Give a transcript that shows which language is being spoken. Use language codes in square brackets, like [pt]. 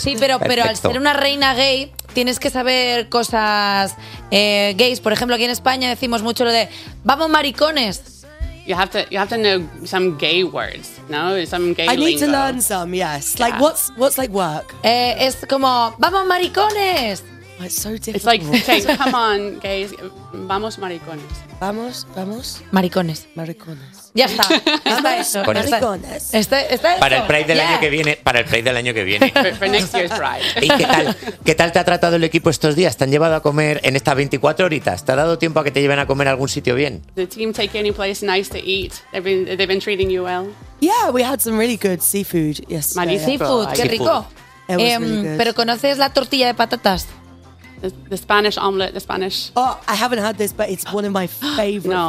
[es] Sí, pero al ser una reina gay, tienes que saber cosas gays. Por ejemplo, aquí en España decimos mucho lo de vamos maricones. [en] You have to know some gay words, no? Some gay lingo. I need lingo. To learn some, yes. Yeah. Like what's like work? [es] Es como vamos maricones. [en] It's so difficult. It's like okay, so come on, gays, [es] vamos maricones. Vamos. Maricones. Ya está. Maricones. Para el Pride del año que viene. Para el Pride del año que viene. [en] For next year's Pride. [es] ¿Y qué tal te ha tratado el equipo estos días? ¿Te han llevado a comer en estas 24 horitas? ¿Te ha dado tiempo a que te lleven a comer a algún sitio bien? [en] The team take any place nice to eat. They've been treating you well. Yeah, we had some really good seafood. Yes. [es] Seafood, qué rico. [en] Really good. [es] ¿Pero conoces la tortilla de patatas? [en] The Spanish omelette, the Spanish. Oh, I haven't had this, but it's one of my favorite [es] no,